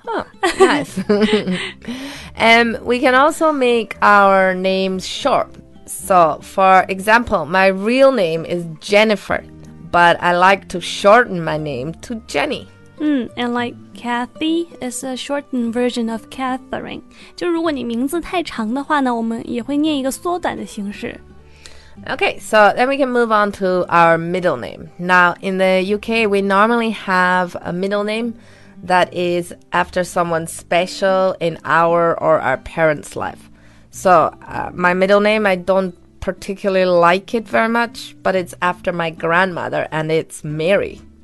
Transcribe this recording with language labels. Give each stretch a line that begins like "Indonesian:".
English: Oh, nice. we can also make our names short. So, for example, my real name is Jennifer, but I like to shorten my name to Jenny. And like Kathy is a shortened version of Catherine.
Chinese: 就如果你名字太长的话呢，我们也会念一个缩短的形式。
English: Okay, so then we can move on to our middle name. Now, in the UK, we normally have a middle name that is after someone special in our or our parents' life. So, my middle name, I don't particularly like it very much, but it's after my grandmother, and it's Mary.